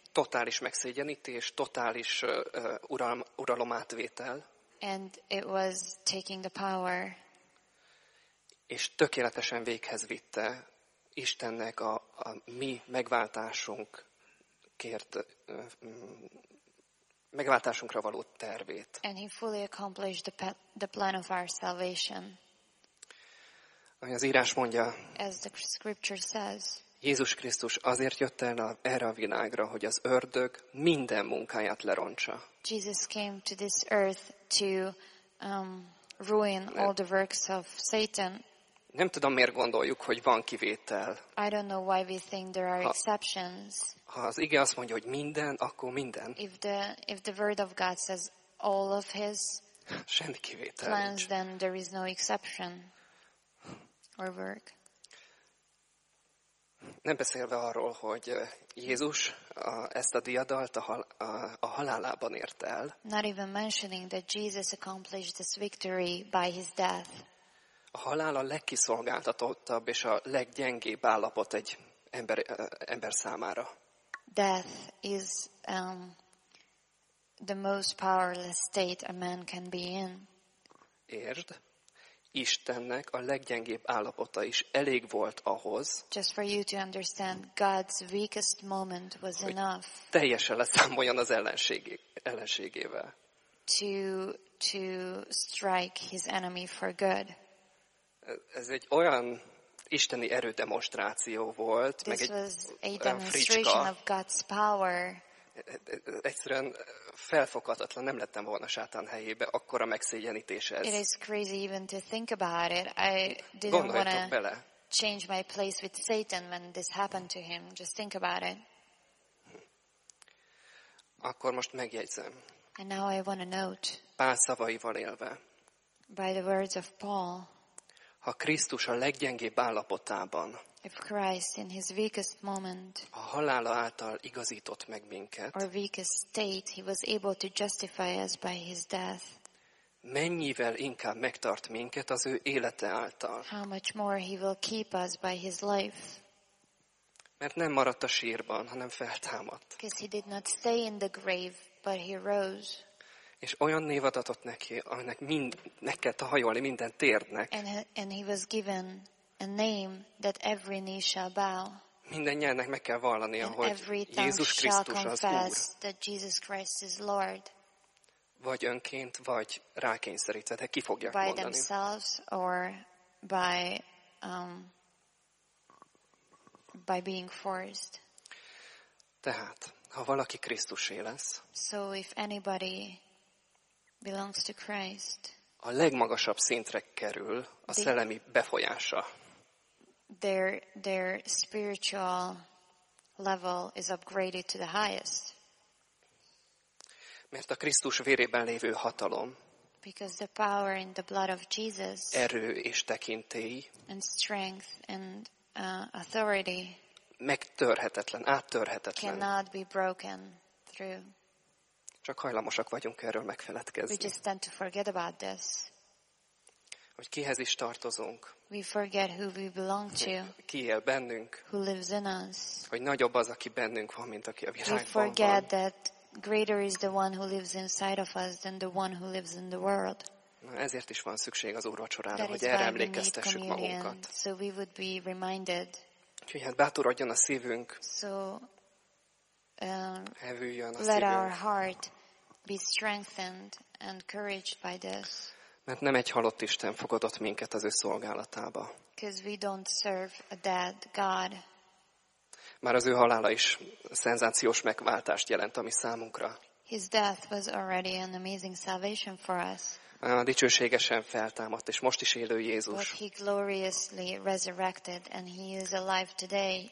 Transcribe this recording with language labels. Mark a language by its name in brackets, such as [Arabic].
[Hungarian] Totális megszégyenítés, totális uralom átvétel. [English] And it was taking the power. [Hungarian] És tökéletesen véghez vitte Istennek a mi megváltásunkért megváltásunkra való tervét. [English] And he fully accomplished the plan of our salvation. [Hungarian] Ami az írás mondja. [English] As the scripture says. [Hungarian] Jézus Krisztus azért jött el erre a világra, hogy az ördög minden munkáját lerontsa. [English] Jesus came to this earth to ruin all the works of Satan. [Hungarian] Nem tudom, miért gondoljuk, hogy van kivétel. [English] I don't know why we think there are exceptions. [Hungarian] Ha az ige azt mondja, hogy minden, akkor minden. [English] If the word of God says all of his [Hungarian] semmi kivétel [English] plans, [Hungarian] nincs. [English] Then there is no exception or work. [Hungarian] Nem beszélve arról, hogy Jézus ezt a diadalt a halálában ért el. [English] Not even mentioning that Jesus accomplished this victory by his death. [Hungarian] A halál a legkiszolgáltatottabb és a leggyengébb állapot egy ember számára. [English] Death is the most powerless state a man can be in. [Hungarian] Értsd, Istennek a leggyengébb állapota is elég volt ahhoz. [English] Just for you to understand, God's weakest moment was enough. [Hungarian] Teljesen leszámoljon az ellenségével. [English] To strike his enemy for good. [Hungarian] Ez egy olyan isteni erődemonstráció volt, [English] this was a demonstration of God's power. [Hungarian] Egyszerűen felfoghatatlan, nem lettem volna sátán helyébe, akkora megszégyenítés ez. [English] It is crazy even to think about it. I didn't want to change my place with Satan when this happened to him. Just think about it. [Hungarian] Akkor most megjegyzem. [English] And now I want to note. [Hungarian] Pál szavaival élve. [English] By the words of Paul. [Hungarian] Ha Krisztus a leggyengébb állapotában, [English] if Christ in his weakest moment, [Hungarian] a halála által igazított meg minket, [English] our weakest state, he was able to justify us by his death. [Hungarian] Mennyivel inkább megtart minket az ő élete által? [English] How much more he will keep us by his life? [Hungarian] Mert nem maradt a sírban, hanem feltámadt. [English] Because he did not stay in the grave, but he rose. [Hungarian] És olyan névet adott neki, aminek neki kell hajolni minden térdnek. [English] And he was given a name that every knee shall bow. [Hungarian] Minden nyelvnek meg kell vallania, hogy Jézus Krisztus az Úr. [English] That Jesus Christ is Lord. [Hungarian] Vagy önként, vagy rákényszerítve, de ki fogják [English] by [Hungarian] mondani. [English] By themselves or by by being forced. [Hungarian] Tehát, ha valaki Krisztusé lesz. [English] So if anybody belongs to Christ. [Hungarian] A legmagasabb szintre kerül a szellemi befolyása. [English] Their spiritual level is upgraded to the highest. [Hungarian] Mert a Krisztus vérében lévő hatalom. [English] Because the power in the blood of Jesus. [Hungarian] Erő és tekintély. [English] And strength and authority. [Hungarian] Megtörhetetlen, áttörhetetlen. [English] Cannot be broken through. [Hungarian] Csak hajlamosak vagyunk erről megfeledkezni. [English] We just tend to forget about this. [Hungarian] Hogy kihez is tartozunk. [English] We forget who we belong to. [Hungarian] Ki él bennünk. [English] Who lives in us. [Hungarian] Hogy nagyobb az, aki bennünk van, mint aki a világban van. [English] We forget that greater is the one who lives inside of us than the one who lives in the world. [Hungarian] Na, ezért is van szükség az úrvacsorára, hogy erre emlékeztessük magunkat. [English] So we would be reminded. [Hungarian] Úgyhogy hát bátorodjon a szívünk. [English] So Let our heart be strengthened and encouraged by this. [Hungarian] Mert nem egy halott Isten fogadott minket az ő szolgálatába. [English] Because we don't serve a dead God. [Hungarian] Már az ő halála is szenzációs megváltást jelent a mi számunkra. [English] His death was already an amazing salvation for us. [Hungarian] Dicsőségesen feltámadt, és most is élő Jézus. [English] But he gloriously resurrected and he is alive today.